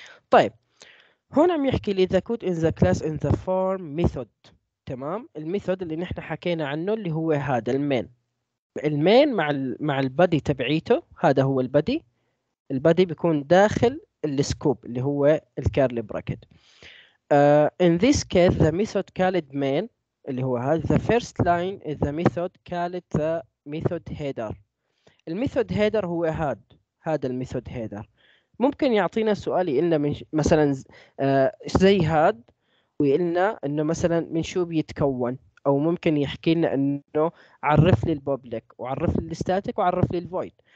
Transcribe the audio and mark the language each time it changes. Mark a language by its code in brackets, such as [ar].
[ar] طيب هون عم يحكي لي [en] the code in the class in the form method، [ar] تمام؟ الميثود اللي نحن حكينا عنه اللي هو هذا المين. المين مع البادي تبعيته، هذا هو البادي، البادي بيكون داخل السكوب اللي هو الكارلي براكت. [en] In this case, the method called main [ar] اللي هو هذا. [en] The first line is the method called the method header. [ar] الميثود هيدر هو هذا الميثود هيدر. ممكن يعطينا سؤال يقلنا من مثلا زي هاد ويقلنا انه مثلا من شو بيتكون، او ممكن يحكي لنا انه عرف لي البوبليك وعرف لي الستاتيك وعرف لي الفويد.